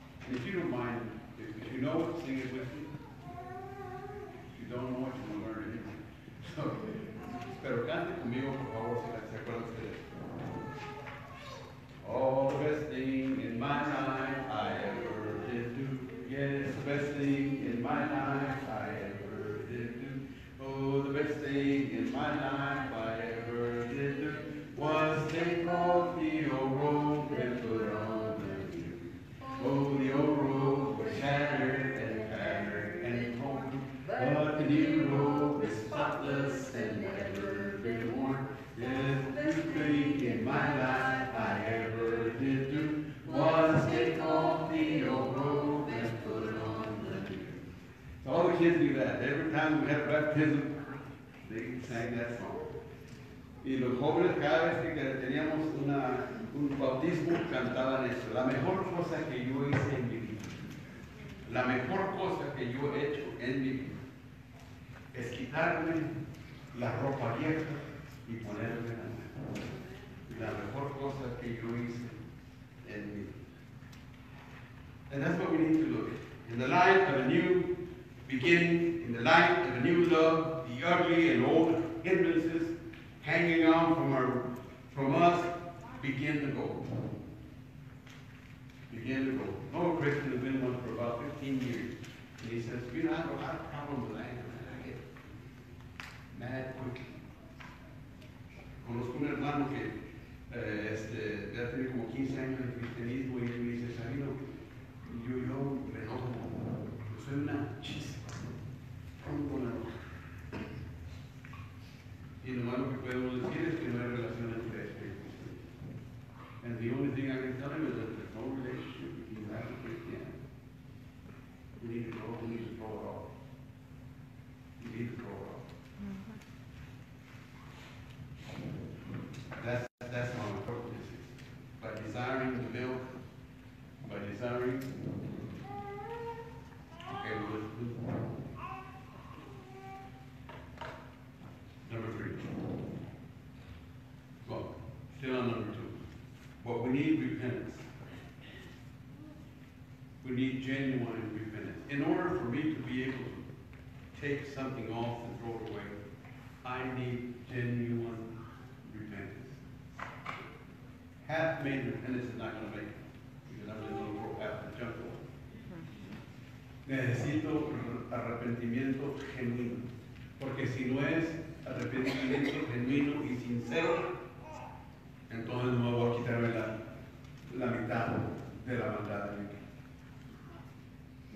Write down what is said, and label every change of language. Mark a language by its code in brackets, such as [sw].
[en] If you don't mind, if you know it, sing it with me. If you don't know it, you're going to learn it. [es] Pero cante conmigo, por favor, si se acuerdan de ustedes. [en] Oh, the best thing in my life I ever did do. Yes, the best thing in my life I ever did do. Oh, the best thing in my life I ever did do was take off the old robe and put on the new. Oh, the old robe was shattered and battered and torn, but the new robe is spotless and never been worn. Yes, the best thing in my life I ever did do was take off the old robe and put on the new. So all the kids knew that. Every time we had a baptism, they sang that song. [es] Y los jóvenes, cada vez que teníamos un bautismo, cantaban esto. La mejor cosa que yo hice en mi vida, la mejor cosa que yo he hecho en mi vida, es quitarme la ropa vieja y ponerme la nueva. La mejor cosa que yo hice en mi vida. [en] And that's what we need to look at. In the light of a new beginning, in the light of a new love, the ugly and old hindrances hanging on from us, begin to go. Begin to go. No Christian has been one for about 15 years. And he says, you know, I have a lot of problems with anger, man. I get mad quickly. [es] Conozco un hermano que ya tiene como 15 años de cristianismo y él me dice, Sabino, yo me enojo. Yo soy una chispa. Rompo la roja. Y lo malo que podemos decir es que no hay relación entre espíritus. [en] And the only thing I can tell him is that there's no relationship between that and Christianity. We need to grow, we need to grow it all. We need to grow it all. That's how important this is. By desiring the milk, by desiring. Okay, well, let's move on. Number three. Well, still on number two. What we need, repentance. We need genuine repentance. In order for me to be able to take something off and throw it away, I need genuine repentance. Half-made repentance is not going to make it, because I'm just going to throw half the junk away. [es] Necesito arrepentimiento genuino. Porque si no es arrepentimiento genuino y sincero, entonces no me voy a quitarme la mitad de la maldad de mi vida.